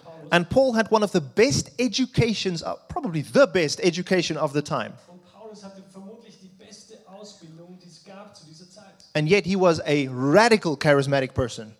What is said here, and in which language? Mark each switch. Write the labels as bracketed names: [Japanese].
[English] And Paul had one of the best educations, probably the best education of the time. [German] Und Paulus hatte vermutlich die beste Ausbildung, die es gab zu dieser Zeit. [English] And yet he was a radical charismatic person.